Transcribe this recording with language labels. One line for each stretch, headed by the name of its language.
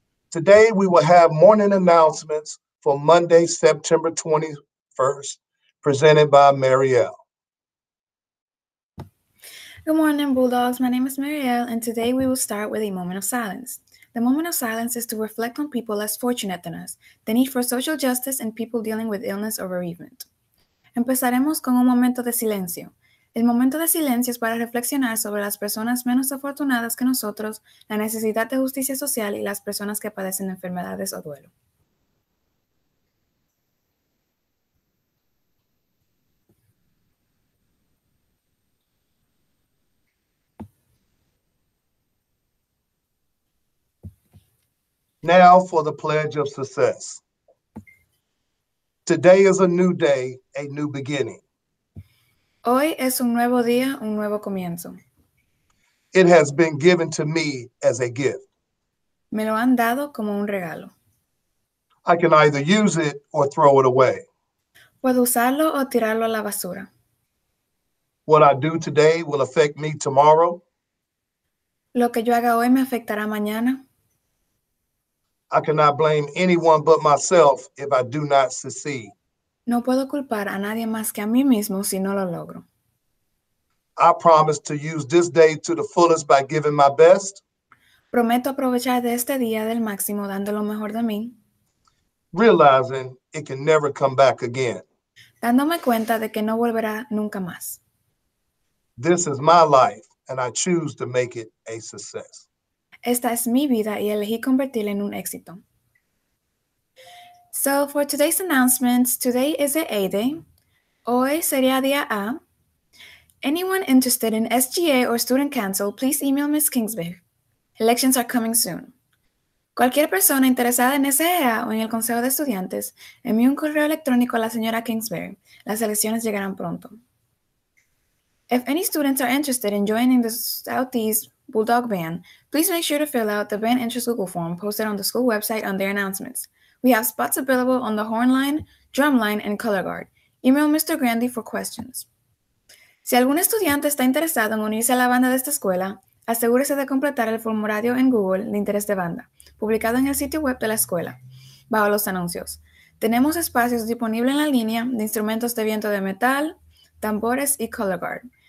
English: Today, we will have morning announcements for Monday, September 21st, presented by Marielle. Good morning, Bulldogs. My name is Marielle, and today we will start with a moment of silence. The moment of silence is to reflect on people less fortunate than us, the need for social justice, and people dealing with illness or bereavement.
Spanish: Empezaremos con un momento de silencio. El momento de silencio es para reflexionar sobre las personas menos afortunadas que nosotros, la necesidad de justicia social y las personas que padecen enfermedades o duelo.
English: Now for the pledge of success. Today is a new day, a new beginning.
Spanish: Hoy es un nuevo día, un nuevo comienzo.
English: It has been given to me as a gift.
Spanish: Me lo han dado como un regalo.
English: I can either use it or throw it away.
Spanish: Puedo usarlo o tirarlo a la basura.
English: What I do today will affect me tomorrow.
Spanish: Lo que yo haga hoy me afectará mañana.
English: I cannot blame anyone but myself if I do not succeed.
Spanish: No puedo culpar a nadie más que a mí mismo si no lo logro.
English: I promise to use this day to the fullest by giving my best.
Spanish: Prometo aprovechar de este día del máximo dando lo mejor de mí.
English: Realizing it can never come back again.
Spanish: Dándome cuenta de que no volverá nunca más.
English: This is my life and I choose to make it a success.
Spanish: Esta es mi vida y elegí convertirla en un éxito.
English: So for today's announcements, today is the A day.
Spanish: Hoy sería día A.
English: Anyone interested in SGA or student council, please email Ms. Kingsbury. Elections are coming soon.
Spanish: Cualquier persona interesada en SGA o en el Consejo de Estudiantes, envíe un correo electrónico a la señora Kingsbury. Las elecciones llegarán pronto.
English: If any students are interested in joining the Southeast Bulldog Band, please make sure to fill out the band interest Google form posted on the school website under announcements. We have spots available on the horn line, drum line, and color guard. Email Mr. Grandy for questions.
Spanish: Si algún estudiante está interesado en unirse a la banda de esta escuela, asegúrese de completar el formulario en Google de interés de banda, publicado en el sitio web de la escuela, bajo los anuncios. Tenemos espacios disponibles en la línea de instrumentos de viento de metal, tambores y color guard.